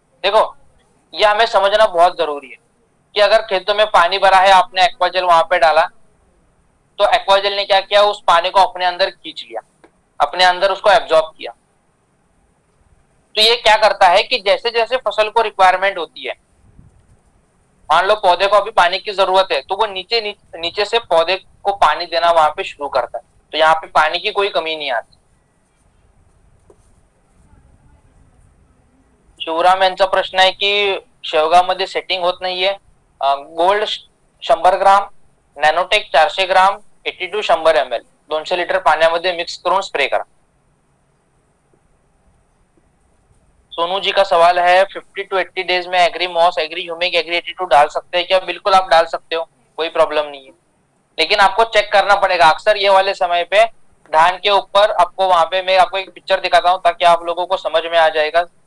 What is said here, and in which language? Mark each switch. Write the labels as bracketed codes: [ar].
[hi] देखो, ये हमें समझना बहुत जरूरी है कि अगर खेतों में पानी भरा है, आपने एक्वाजेल वहां पे डाला, तो एक्वाजेल ने क्या किया, उस पानी को अपने अंदर खींच लिया, अपने अंदर उसको एब्जॉर्ब किया, तो ये क्या करता है कि जैसे जैसे फसल को रिक्वायरमेंट होती है, मान लो पौधे को अभी पानी की जरूरत है, तो वो नीचे से पौधे को पानी देना वहां पे शुरू करता है, तो यहाँ पे पानी की कोई कमी नहीं आती। [mr] शिवराम यांचा प्रश्न आहे की शेवगामध्ये सेटिंग होत नाहीये, gold 100 gram, नॅनोटेक 400 gram, 80 to 100 ml 200 litre पाण्यामध्ये मिक्स करून स्प्रे करा. [hi] सोनू जी का सवाल है 50 to 80 डेज में agree moss agree humic agree 82 डाल सकते हैं क्या? बिल्कुल आप डाल सकते हो, कोई प्रॉब्लम नहीं है, लेकिन आपको चेक करना पड़ेगा. अक्सर ये वाले समय पे धान के ऊपर आपको वहां पे, मैं आपको एक पिक्चर दिखाता हूँ ताकि आप लोगों को समझ में आ जाएगा.